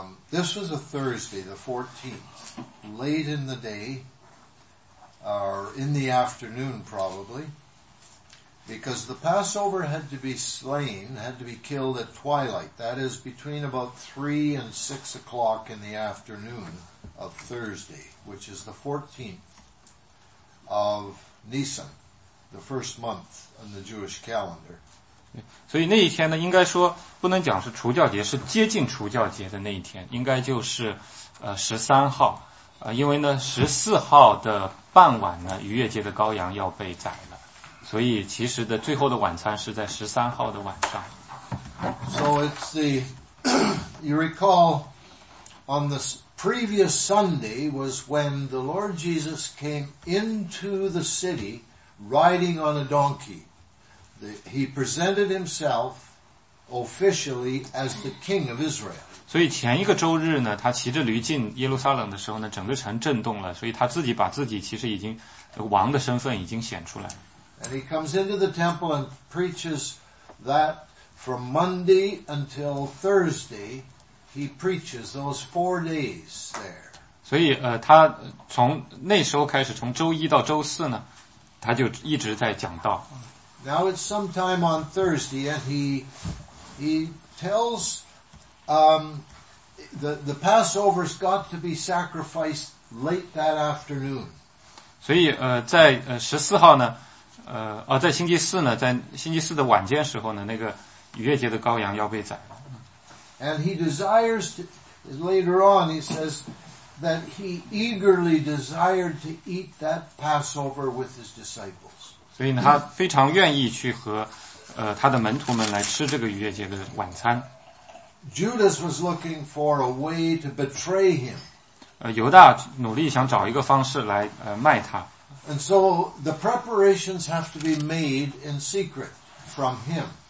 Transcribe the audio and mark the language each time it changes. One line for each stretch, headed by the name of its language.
English: This was a Thursday, the 14th, late in the day, or in the afternoon probably, because the Passover had to be slain, had to be killed at twilight. That is between about 3 and 6 o'clock in the afternoon of Thursday, which is the 14th of Nisan, the first month in the Jewish calendar.
Chinese: 所以那一天呢，应该说不能讲是除酵节，是接近除酵节的那一天，应该就是13号，因为呢14号的傍晚呢，逾越节的羔羊要被宰了。所以其实的最后的晚餐是在13号的晚上。
English: So it's the, you recall, on the previous Sunday was when the Lord Jesus came into the city riding on a donkey. He presented himself officially as the King of Israel.
Chinese: 所以前一个周日呢，他骑着驴进耶路撒冷的时候呢，整个城震动了，所以他自己把自己其实已经王的身份已经显出来了。
English: And he comes into the temple and preaches that from Monday until Thursday, he preaches those 4 days there.
Chinese: 所以他从那时候开始，从周一到周四呢，他就一直在讲道。
English: Now it's sometime on Thursday, and he tells the Passover's got to be sacrificed late that afternoon.
Chinese: 所以在14号呢。在星期四呢，在星期四的晚间时候呢，那个逾越节的羔羊要被宰了。
English: And he desires to, later on, he says that he eagerly desired to eat that Passover with his disciples.
Chinese: 所以呢，他非常愿意去和他的门徒们来吃这个逾越节的晚餐。
English: Judas was looking for a way to betray him.
Chinese: 犹大努力想找一个方式来卖他。
English: And so the preparations have to be made in secret from him.